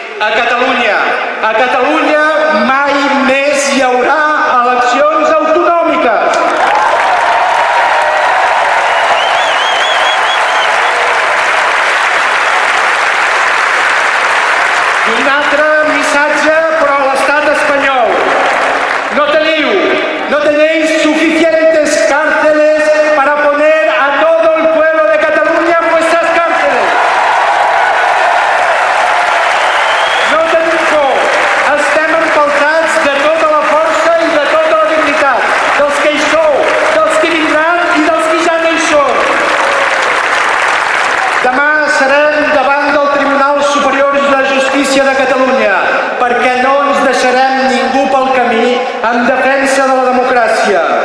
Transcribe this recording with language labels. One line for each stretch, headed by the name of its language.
Catalan: A Catalunya, mai més hi haurà eleccions autonòmiques. Un altre missatge, però a l'estat espanyol. No teniu,
Spanish: suficientes cárceles para poner a todo el pueblo de Cataluña en vuestras cárceles.
Catalan: No teniu por, estem empaltats de tota la força i de tota la dignitat, dels que hi sou, dels que vindran i dels que ja no hi són. Demà serem davant del Tribunal Superior de Justícia de Catalunya, perquè no ens deixarem ningú pel camí en defensa de la democràcia.